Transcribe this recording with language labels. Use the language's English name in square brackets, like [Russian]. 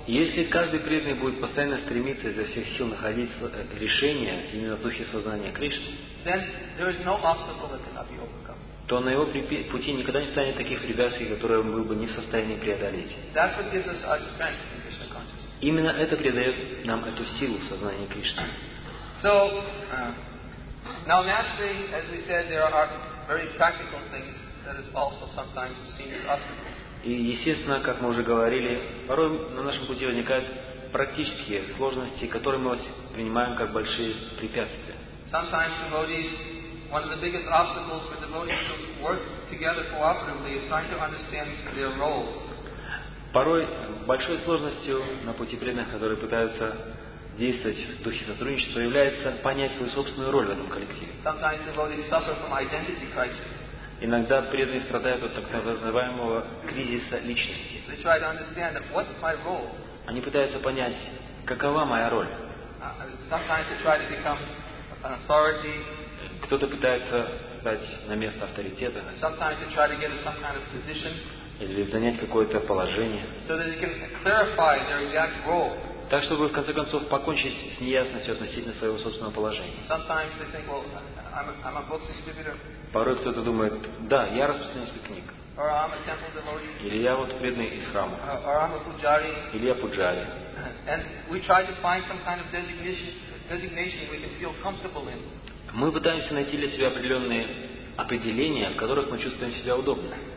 [Russian] Если каждый преданный будет постоянно стремиться изо всех сил находить решение именно в духе сознания Кришны, [English] then there is no obstacle that cannot be overcome. [Russian] То на его пути никогда не станет таких препятствий, которые он был бы не в состоянии преодолеть. [English] That's what gives us our strength in Krishna-consciousness. [Russian] Именно это придает нам эту силу в сознании Кришны. [English] So, now naturally, as we said, there are very practical things that is also sometimes seen as obstacles. [Russian] И естественно, как мы уже говорили, порой на нашем пути возникают практические сложности, которые мы принимаем как большие препятствия. [English] Sometimes devotees, one of the biggest obstacles for devotees to work together cooperatively is trying to understand their roles. [Russian] Порой большой сложностью на пути преданных, которые пытаются действовать в духе сотрудничества, является понять свою собственную роль в этом коллективе. [English] Sometimes devotees suffer from identity crisis. [Russian] Иногда преданные страдают от так называемого кризиса личности. [English] They try to understand that what's my role. [Russian] Они пытаются понять, какова моя роль. [English] Sometimes they try to become an authority. [Russian] Кто-то пытается стать на место авторитета. [English] Sometimes they try to get some kind of position. [Russian] Или занять какое-то положение. [English] So that they can clarify their exact role. [Russian] Так, чтобы в конце концов покончить с неясностью относительно своего собственного положения. [English] Sometimes they think, well, I'm a book distributor. [Russian] Порой кто-то думает, да, я распространитель книг. [English] Or I'm a temple devotee. [Russian] Или я вот преданный из храма. [English] Or I'm a pujari. [Russian] Или я пуджари. [English] And we try to find some kind of designation we can feel comfortable in. [Russian] Мы пытаемся найти для себя определенные определения, в которых мы чувствуем себя удобно.